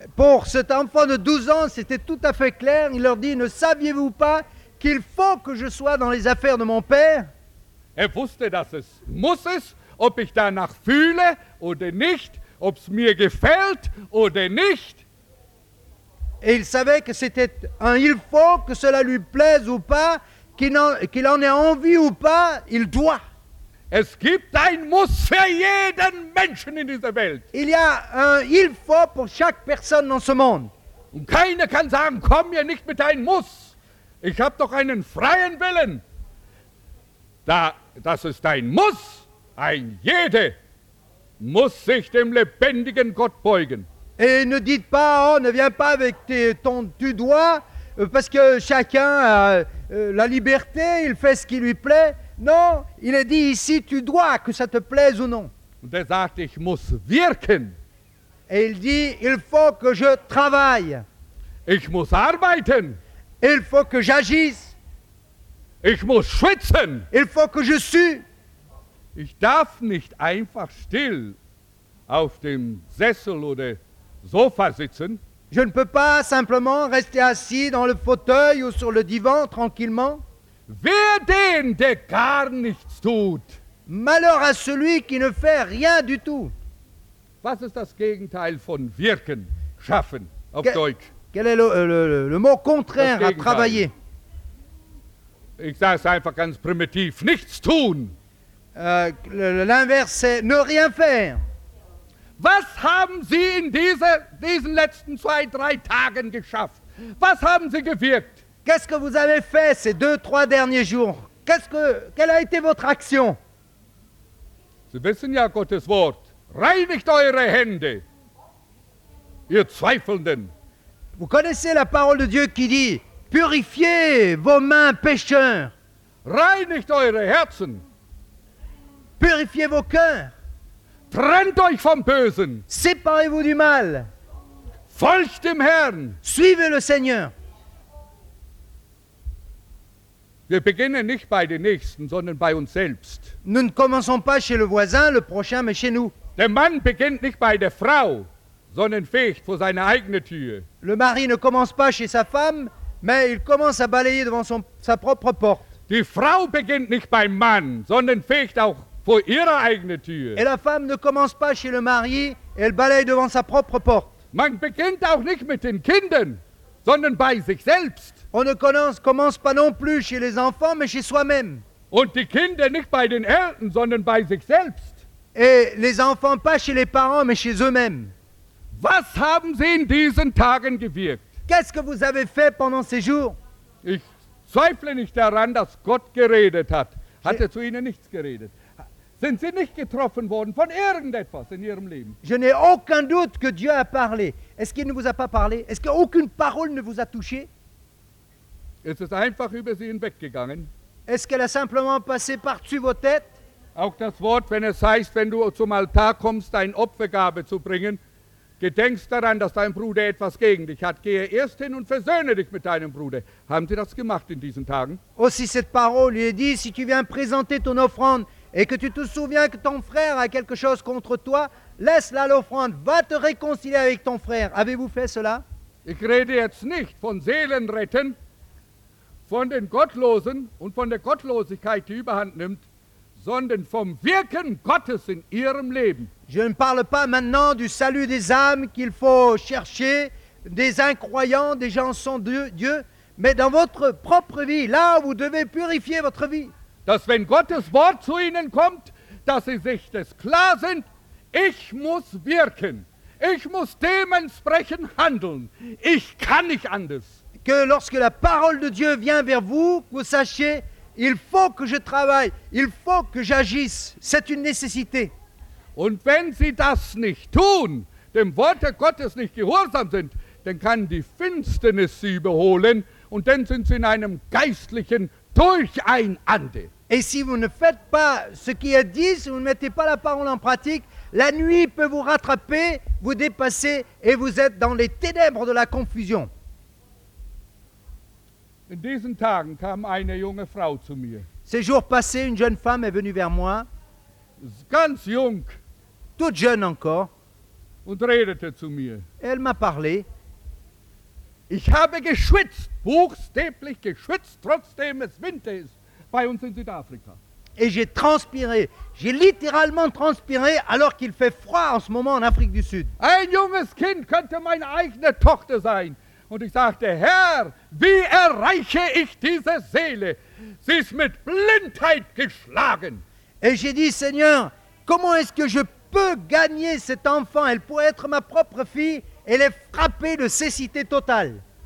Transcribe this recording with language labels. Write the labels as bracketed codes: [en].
[fr] Pour cet enfant de 12 ans, c'était tout à fait clair. Il leur dit, ne saviez-vous pas qu'il faut que je sois dans les affaires de mon Père? [de] Er wusste, dass es muss es, ob ich danach fühle oder nicht, ob es mir gefällt oder nicht. [fr] Et il savait que c'était un « il faut », que cela lui plaise ou pas, qu'il en ait envie ou pas, il doit. [de] Es gibt ein Muss für jeden Menschen in dieser Welt. [fr] Il y a un « il faut » pour chaque personne dans ce monde. [de] Und keiner kann sagen, komm mir nicht mit deinem Muss. Ich habe doch einen freien Willen. Das ist ein Muss. Ein jeder muss sich dem lebendigen Gott beugen. [fr] Et ne dites pas, oh, ne viens pas avec tu dois, parce que chacun a la liberté, il fait ce qui lui plaît. Non, il est dit ici, tu dois, que ça te plaise ou non. [de] Und er sagt, ich muss wirken. [fr] Et il dit, il faut que je travaille. [de] Ich muss arbeiten. [fr] Il faut que j'agisse. [de] Ich muss schwitzen. [fr] Il faut que je sue. [de] Ich darf nicht einfach still auf dem Sessel oder Sofa sitzen. [fr] Je ne peux pas simplement rester assis dans le fauteuil ou sur le divan tranquillement. [de] Wer den, der gar nichts tut. [fr] Malheur à celui qui ne fait rien du tout. [de] Was ist das Gegenteil von wirken, schaffen auf Deutsch? [fr] Quel est le mot contraire à travailler? [de] Ich sage es einfach ganz primitiv, nichts tun. [fr] L'inverse, c'est ne rien faire. [de] Was haben Sie in diesen letzten zwei, drei Tagen geschafft? Was haben Sie gewirkt? [fr] Qu'est-ce que vous avez fait ces deux, trois derniers jours? Quelle a été votre action? [de] Sie wissen ja Gottes Wort. Reinigt eure Hände, ihr Zweifelnden. [fr] Vous connaissez la parole de Dieu qui dit, purifiez vos mains, pécheurs. [de] Reinigt eure Herzen. [fr] Purifiez vos cœurs. [de] Trennt euch vom Bösen. [fr] Séparez-vous du mal. [de] Folgt dem Herrn. [fr] Suivez le Seigneur. [de] Wir beginnen nicht bei den Nächsten, sondern bei uns selbst. [fr] Nous ne commençons pas chez le voisin, le prochain, mais chez nous. [de] Der Mann beginnt nicht bei der Frau, sondern fegt vor seine eigene Tür. [fr] Le mari ne commence pas chez sa femme, mais il commence à balayer devant sa propre porte. [de] Die Frau beginnt nicht beim Mann, sondern fegt auch vor ihrer eigenen Tür. [fr] Et la femme ne commence pas chez le mari, elle balaye devant sa propre porte. [de] Man beginnt auch nicht mit den Kindern, sondern bei sich selbst. [fr] On ne commence pas non plus chez les enfants, mais chez soi-même. [de] Und die Kinder nicht bei den Eltern, sondern bei sich selbst. [fr] Et les enfants pas chez les parents, mais chez eux-mêmes. [de] Was haben Sie in diesen Tagen gewirkt? [fr] Qu'est-ce que vous avez fait pendant ces jours? [de] Ich zweifle nicht daran, dass Gott geredet hat. Hat er zu Ihnen nichts geredet? Sind Sie nicht getroffen worden von irgendetwas in Ihrem Leben? [fr] Je n'ai aucun doute que Dieu a parlé. Est-ce qu'il ne vous a pas parlé? Est-ce qu'aucune parole ne vous a touché? [de] Ist es einfach über Sie hinweggegangen? [fr] Est-ce qu'elle a simplement passé par-dessus vos têtes? [de] Auch das Wort, wenn es heißt, wenn du zum Altar kommst, deine Opfergabe zu bringen, gedenkst daran, dass dein Bruder etwas gegen dich hat. Gehe erst hin und versöhne dich mit deinem Bruder. Haben Sie das gemacht in diesen Tagen? [fr] Aussi cette parole lui est dit, si tu viens présenter ton offrande, et que tu te souviens que ton frère a quelque chose contre toi, laisse-la l'offrande, va te réconcilier avec ton frère. Avez-vous fait cela? [de] Ich rede jetzt nicht von Seelen retten, von den Gottlosen und von der Gottlosigkeit, die überhand nimmt, sondern vom Wirken Gottes in ihrem Leben. [fr] Je ne parle pas maintenant du salut des âmes qu'il faut chercher, des incroyants, des gens sans Dieu, mais dans votre propre vie, là où vous devez purifier votre vie. [de] Dass wenn Gottes Wort zu ihnen kommt, dass sie sich das klar sind, ich muss wirken. Ich muss dementsprechend handeln. Ich kann nicht anders. [fr] Que lorsque la parole de Dieu vient vers vous, vous sachiez, il faut que je travaille, il faut que j'agisse. C'est une nécessité. [de] Und wenn sie das nicht tun, dem Wort Gottes nicht gehorsam sind, dann kann die Finsternis sie überholen und dann sind sie in einem geistlichen durcheinander. [fr] Et si vous ne faites pas ce qui est dit, si vous ne mettez pas la parole en pratique, la nuit peut vous rattraper, vous dépasser et vous êtes dans les ténèbres de la confusion. [de] In diesen Tagen kam eine junge Frau zu mir. [fr] Ces jours passés, une jeune femme est venue vers moi. [de] Ganz jung. [fr] Toute jeune encore. [de] Und redete zu mir. [fr] Elle m'a parlé. [de] Ich habe geschwitzt, buchstäblich geschwitzt, trotzdem es Winter ist bei uns in Südafrika. [fr] Et j'ai transpiré. J'ai littéralement transpiré alors qu'il fait froid en ce moment en Afrique du Sud. [de] Ein junges Kind könnte meine eigene Tochter sein. Und ich sagte, Herr, wie erreiche ich diese Seele? Sie ist mit Blindheit geschlagen. [fr] Et j'ai dit, Seigneur, comment est-ce que je peux gagner cet enfant? Elle pourrait être ma propre fille. Elle est frappée de cécité totale.